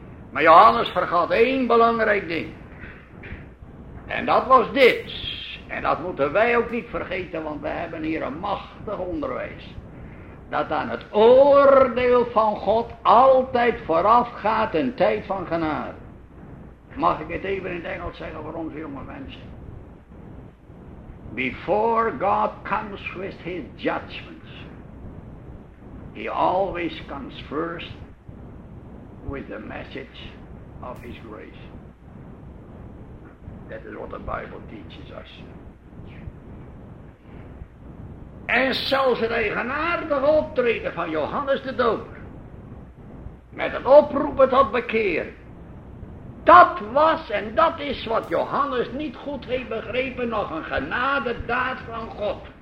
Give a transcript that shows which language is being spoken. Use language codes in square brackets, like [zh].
[nl] Maar Johannes vergat één belangrijk ding. En dat was dit. En dat moeten wij ook niet vergeten, want we hebben hier een machtig onderwijs. Dat aan het oordeel van God altijd vooraf gaat een tijd van genade. Mag ik het even in het Engels zeggen voor onze jonge mensen? [en] Before God comes with his judgments, he always comes first with the message of his grace. That is what the Bible teaches us. [nl] En zelfs het eigenaardige optreden van Johannes de Doper, met het oproepen tot bekeer, dat was en dat is wat Johannes niet goed heeft begrepen, nog een genadedaad van God.